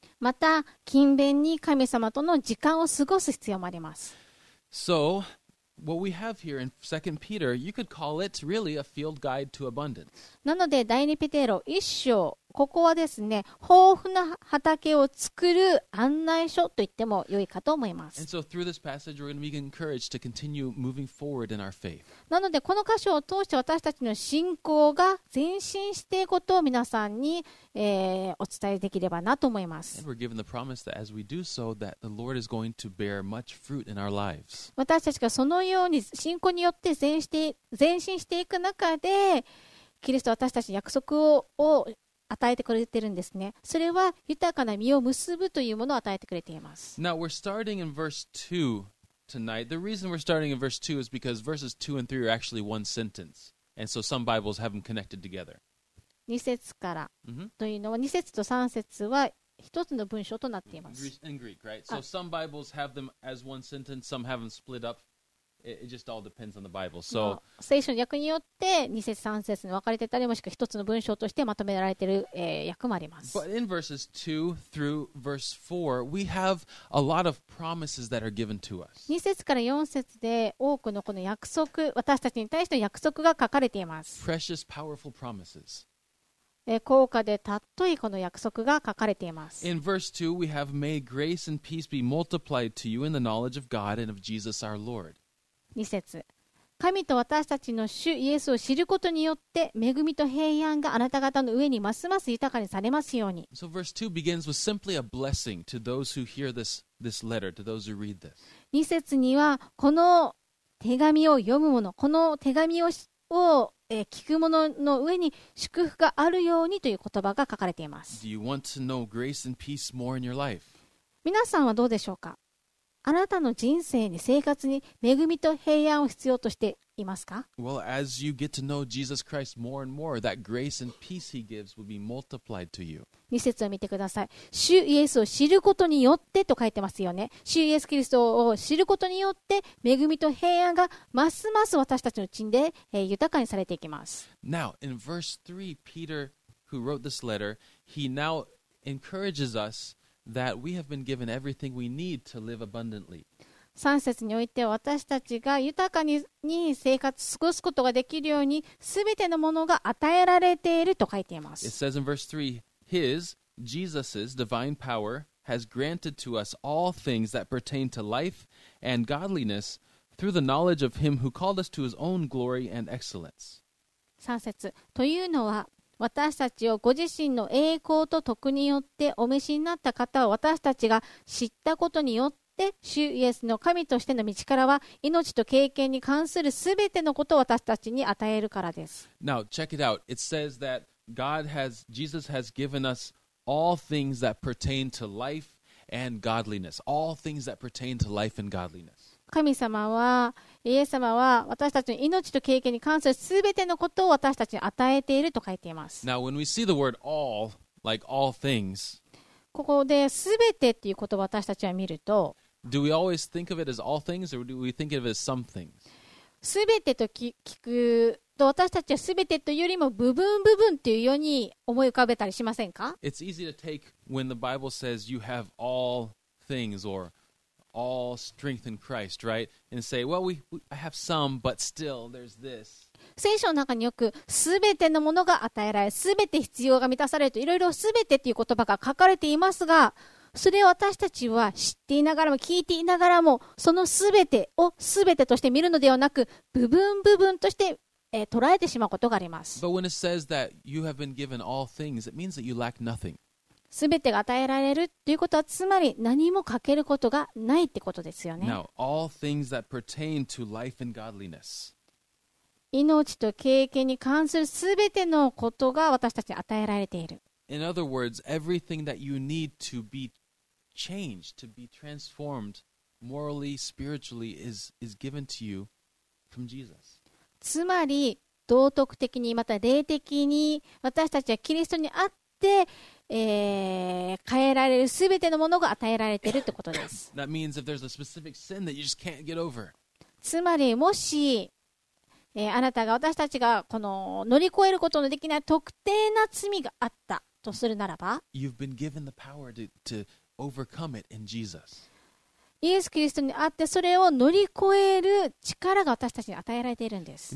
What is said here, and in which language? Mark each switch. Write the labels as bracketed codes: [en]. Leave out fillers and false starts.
[ja] また勤勉に神様との時間を過ごす必要もあります。 [en] SoWhat we have here in 2 Peter, you could call it really a field guide to abundance. [ja] なので第2ペテロ1章、ここはですね、豊富な畑を作る案内書と言っても良いかと思います。 [en] And so through this passage, we're going to be encouraged to continue moving forward in our faith. [ja] なのでこの箇所を通して私たちの信仰が前進していくことを皆さんに、お伝えできればなと思います。 [en] And we're given the promise that as we do so, that the Lord is going to bear much fruit in our lives. [ja] 私たちがそのように信仰によって前進していく中で、キリストは私たちに約束を与えてくれてるんですね。それは豊かな実を結ぶというものを与えてくれています。 [en] Now we're starting in verse 2 tonight. The reason we're starting in verse 2 is because verses 2 and 3 are actually one sentence. And so some Bibles have them connected together. [ja] 2節からというのは、2節と3節は一つの文章となっています。 [en] In Greek, right? So some Bibles have them as one sentence, some have them split up. It just all depends on the Bible. So, [ja] 聖書の訳によって二節三節に分かれてたり、もしくは一つの文章としてまとめられている、訳もあります。 [en] But in verses 2 through verse 4, we have a lot of promises that are given to us. [ja] 二節から四節で多くのこの約束、私たちに対しての約束が書かれています。 [en] Precious, powerful promises. [ja] 高価でたっといこの約束が書かれています。 [en] In verse 2, we have May grace and peace be multiplied to you in the knowledge of God and of Jesus our Lord. [ja] 2節、神と私たちの主イエスを知ることによって恵みと平安があなた方の上にますます豊かにされますように。 [en] So verse 2 begins with simply a blessing to those who hear this letter, to those who read this. [ja] 2節にはこの手紙を読む者、この手紙を聞く者の上に祝福があるようにという言葉が書かれています。 [en] Do you want to know grace and peace more in your life? [ja] 皆さんはどうでしょうか。あなたの人生に生活に恵みと平安を必要としていますか? [en] Well, as you get to know Jesus Christ more and more, that grace and peace he gives will be multiplied to you. [ja] 2節を見てください。主イエスを知ることによってと書いてますよね。主イエスキリストを知ることによって恵みと平安がますます私たちのうちで、豊かにされていきます。 [en] Now, in verse 3, Peter, who wrote this letter, he now encourages us that we have been given everything we need to live abundantly. [ja] 3節において私たちが豊かに生活過ごすことができるように全てのものが与えられていると書いています。 [en] It says in verse 3, His, Jesus's divine power has granted to us all things that pertain to life and godliness through the knowledge of Him who called us to His own glory and excellence. [ja] 3節というのは私たちをご自身の栄光と徳によってお召しになった方を私たちが知ったことによって主イエスの神としての道からは命と経験に関するすべてのことを私たちに与えるからです。 [en] Now, check it out. It says that God has, Jesus has given us all things that pertain to life and godliness. All things that pertain to life and godliness. [ja] 神様はイエス様は私たちの命と経験に関するすべてのことを私たちに与えていると書いています。 [en] Now, when we see the word all, like all things, [ja] ここですべてっていう言葉を私たちは見ると、 [en] Do we always think of it as all things or do we think of it as some things? [ja] すべてと聞くと私たちはすべてというよりも部分部分っていうように思い浮かべたりしませんか? [en] It's easy to take when the Bible says you have all things orAll strength in Christ, right? And say, well, I have some, but still, there's this. [ja] 聖書の中によく、すべてのものが与えられ、すべて必要が満たされると、いろいろすべてという言葉が書かれていますが、それを私たちは知っていながらも、聞いていながらも、そのすべてをすべてとして見るのではなく、部分部分として、捉えてしまうことがあります。 [en] But when it says that you have been given all things, it means that you lack nothing. [ja] すべてが与えられるということはつまり何も欠けることがないってことですよね。 [en] Now, all things that pertain to life and godliness. [ja] 命と経験に関するすべてのことが私たちに与えられている。 [en] In other words, everything that you need to be changed, to be transformed morally, spiritually is given to you from Jesus. [ja] つまり道徳的にまた霊的に私たちはキリストにあって変えられるすべてのものが与えられているってことです。 [en] That means if there's a specific sin that you just can't get over. [ja] つまりもし、あなたが私たちがこの乗り越えることのできない特定な罪があったとするならば、 [en] You've been given the power to overcome it in Jesus. [ja] イエス・キリストにあってそれを乗り越える力が私たちに与えられているんです。